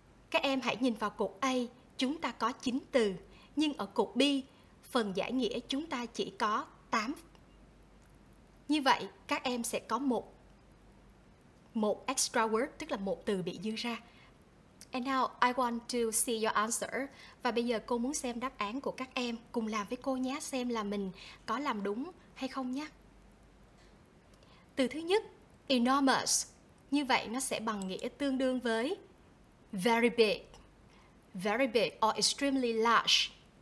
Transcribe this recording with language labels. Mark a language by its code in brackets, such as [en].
[vi] Các em hãy nhìn vào cột A, chúng ta có 9 từ, nhưng ở cột B, phần giải nghĩa chúng ta chỉ có 8. Như vậy, các em sẽ có một extra word, tức là một từ bị dư ra. [en] And now I want to see your answer. [vi] Và bây giờ cô muốn xem đáp án của các em. Cùng làm với cô nhé, xem là mình có làm đúng hay không nhé. Từ thứ nhất, enormous. Như vậy nó sẽ bằng nghĩa tương đương với very big. [en] Very big or extremely large.